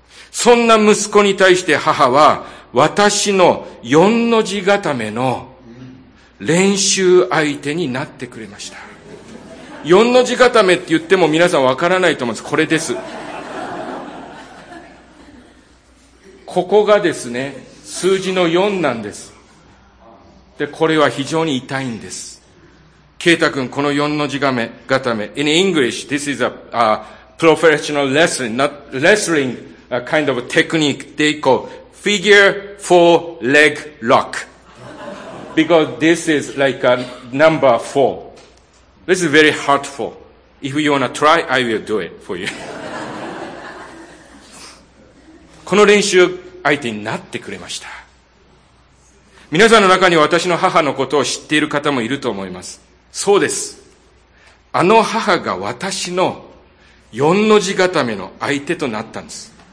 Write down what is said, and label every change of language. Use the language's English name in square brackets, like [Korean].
[Japanese] そんな息子に対して母は私の四の字固めの練習相手になってくれました。四の字固めって言っても皆さんわからないと思います。これです。ここがですね、数字の四なんです。で、これは非常に痛いんです。 [English] ケイタ君、 [Japanese] この四の字固め、 [English] In English this is a professional wrestling, not wrestling, a kind of a technique they call figure four leg lockBecause this is like a number four. This is very hard for. If you wanna try, I will do it for you. [Japanese] この練習相手になってくれました。皆さんの中に私の母のことを知っている方もいると思います。そうです。あの母が私の四の字固めの相手となったんです。